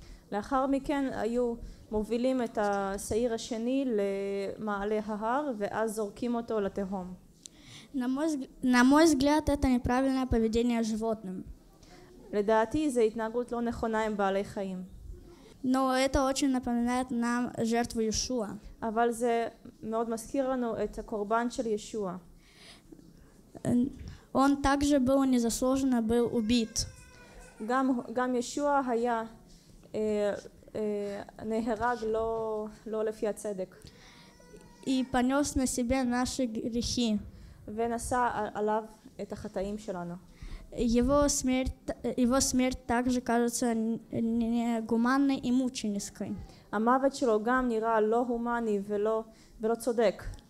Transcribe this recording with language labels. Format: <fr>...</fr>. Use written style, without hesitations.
<he>לאחר מכן היו מובילים את השעיר השני למעלה ההר ואז זורקים אותו לתהום.</he> <ru>На мой взгляд, это неправильное поведение животным.</ru> <he>לדעתי, זה התנהגות לא נכונה עם בעלי חיים.</he> <ru>Но это очень напоминает нам жертву ישוע.</ru> <he>אבל זה מאוד מזכיר לנו את הקורבן של ישוע.</he> <ru>Он также был незаслуженно был убит.</ru> <he>גם ישוע היה נהרג לא לפי הצדק.</he> <ru>И понёс на себе наши грехи.</ru> <he>ונשא עליו את החטאים שלנו.</he> <ru>Его смерть также кажется негуманной и мученической.</ru> <he>המוות שלו גם נראה לא הומני ולא צודק.</he>